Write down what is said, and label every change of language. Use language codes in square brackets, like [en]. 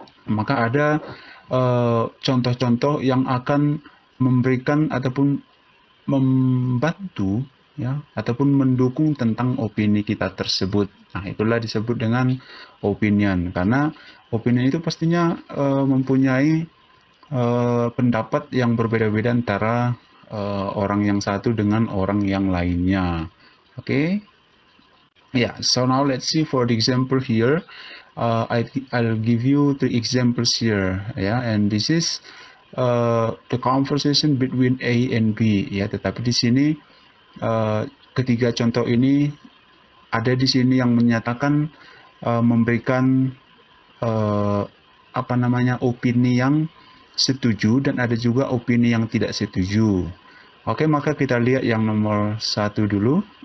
[id] Maka ada contoh-contoh yang akan memberikan ataupun membantu ya ataupun mendukung tentang opini kita tersebut. Nah, itulah disebut dengan opinion, karena opinion itu pastinya mempunyai pendapat yang berbeda-beda antara orang yang satu dengan orang yang lainnya. Oke. Okay? [en] Ya, yeah, so now let's see for the example here. I'll give you three examples here, yeah. And this is the conversation between A and B, yeah. [id] Tetapi di sini ketiga contoh ini ada di sini yang menyatakan memberikan apa namanya opini yang setuju dan ada juga opini yang tidak setuju. Oke, maka kita lihat yang nomor satu dulu.